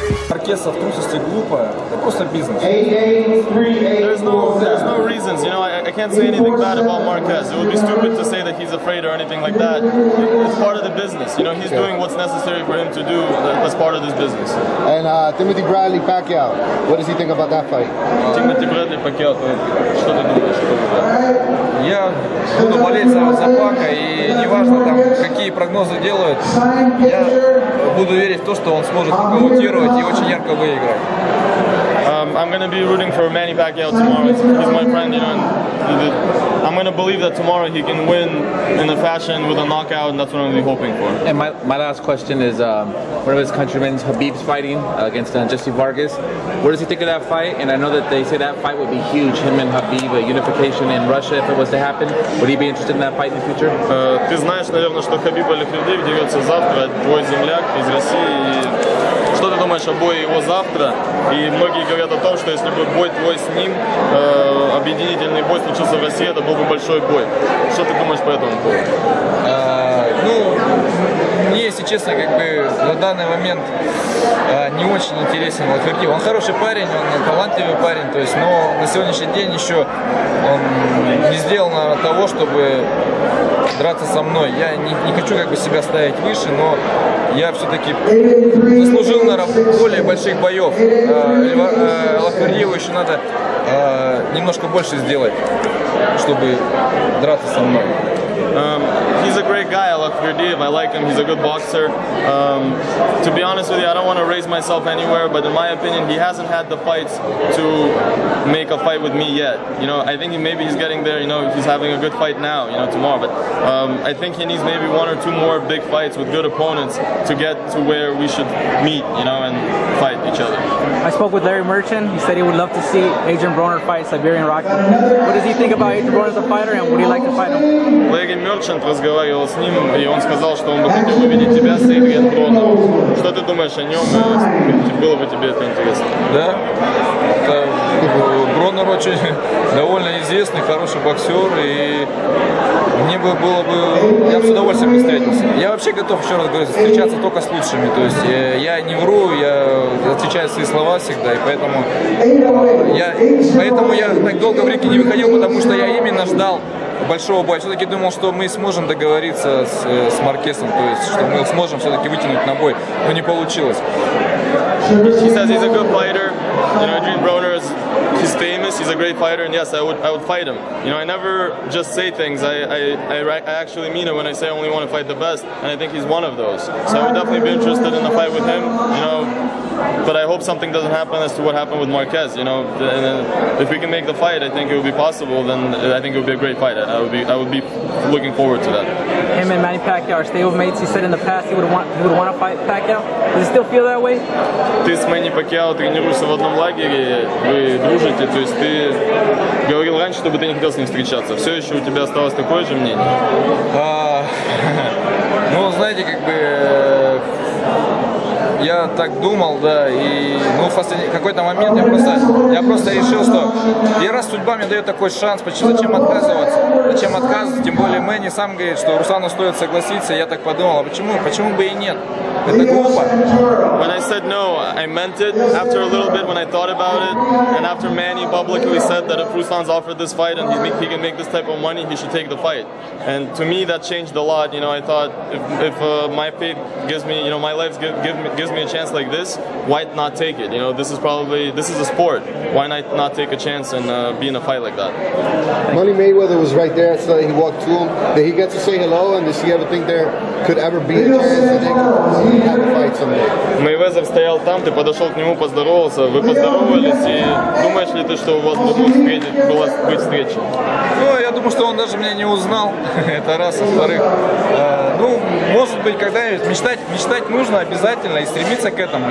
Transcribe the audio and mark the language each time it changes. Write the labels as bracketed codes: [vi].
[ru] Оркестр в трусости глупо, это просто бизнес. [en] There's no reasons, you know, I can't say anything bad about Marquez. It would be stupid to say that he's afraid or anything like that. It's part of the business, you know, he's doing what's necessary for him to do as part of this business. And Timothy Bradley Pacquiao, what does he think about that fight? [ru] Timothy Bradley Pacquiao, что ты думаешь? Я буду болеть за Пака, и неважно там, какие прогнозы делают, я буду верить в то, что он сможет нокаутировать и очень ярко выиграть. [en] I'm going to be rooting for Manny Pacquiao tomorrow. He's my friend, you know, and I'm going to believe that tomorrow he can win in a fashion with a knockout, and that's what I'm going to be hoping for. And my last question is, one of his countrymen, Habib's fighting against Jesse Vargas. What does he think of that fight? And I know that they say that fight would be huge, him and Habib, a unification in Russia if it was to happen. Would he be interested in that fight in the future? [ru] Ты знаешь, наверное, что Хабиб или Хабиб дерется завтра, твой земляк из России. Что ты думаешь о бое его завтра? И многие говорят о том, что если бы бой твой с ним, объединительный бой случился в России, это был бы большой бой. Что ты думаешь по этому поводу? Ну, мне, если честно, как бы на данный момент не очень интересен вот Хабиб. Он хороший парень, он талантливый парень, то есть, но на сегодняшний день еще он не сделал, наверное, того, чтобы драться со мной. Я не хочу как бы себя ставить выше, но я все-таки заслужил, наверное, более больших боев. Лахарьеву еще надо немножко больше сделать, чтобы драться со мной. [en] He's a great guy, Lakhverdiev. I like him. He's a good boxer. To be honest with you, I don't want to raise myself anywhere, but in my opinion, he hasn't had the fights to make a fight with me yet. You know, I think maybe he's getting there. You know, he's having a good fight now, you know, tomorrow. But I think he needs maybe one or two more big fights with good opponents to get to where we should meet, you know, and fight each other. I spoke with Larry Merchant. He said he would love to see Adrian Broner fight Siberian Rocky. What does he think about Adrian Broner as a fighter, and would he like to fight him? [ru] Эгги Мерчант разговаривал с ним, и он сказал, что он бы хотел увидеть тебя с Эдриан Броном. Что ты думаешь о нем? Было бы тебе это интересно? Да. Это, Бронер очень довольно известный, хороший боксер, и мне бы было бы... Я бы с удовольствием встретился. Я вообще готов, еще раз говорю, встречаться только с лучшими. То есть я не вру, я отвечаю свои слова всегда, и поэтому я так долго в рейки не выходил, потому что я именно ждал большого боя. Все-таки думал, что мы сможем договориться с Маркесом, то есть, что мы сможем все-таки вытянуть на бой, но не получилось. [en] He says he's a good fighter. You know, Adrian Broner is, he's famous. He's a great fighter, and yes, I would fight him. You know, I never just say things. I actually mean it when I say I only want to fight the best, and I think he's one of those. So I would definitely be interested in a fight with him. You know. But I hope something doesn't happen as to what happened with Marquez, you know. And if we can make the fight, I think it would be possible, then I think it would be a great fight. I would be looking forward to that. Him and Manny Pacquiao are stablemates. He said in the past he would want to fight Pacquiao. Does it still feel that way? [ru] Ты с Мэнни Пакьяо тренируешься в одном лагере, вы дружите, то есть ты говорил раньше, чтобы ты не хотел с ним встречаться. Все еще у тебя осталось такое же мнение? Ну, знаете, как бы... Я так думал, да, и ну, в какой-то момент я просто решил, что и раз судьба мне дает такой шанс, почему, зачем отказываться, тем более Мэнни сам говорит, что Руслану стоит согласиться, я так подумал, а почему бы и нет, это глупо. [en] When I said no, I meant it, after a little bit when I thought about it, and after Manny publicly said that if Ruslan's offered this fight and he can make this type of money, he should take the fight. And to me that changed a lot, you know, I thought if my fate gives me, you know, my life gives me a chance like this, why not take it? You know, this is a sport. Why not take a chance and be in a fight like that? Money Mayweather was right there, so he walked to him. Did he get to say hello, and does he ever think there could ever be a chance that they could have a fight someday? [ru] Мейвезер стоял там, ты подошел к нему, поздоровался, вы поздоровались, и думаешь ли ты, что у вас была быть встреча? Ну, я думаю, что он даже меня не узнал, это раз, во-вторых. Ну, может быть, когда-нибудь мечтать нужно обязательно и стремиться к этому.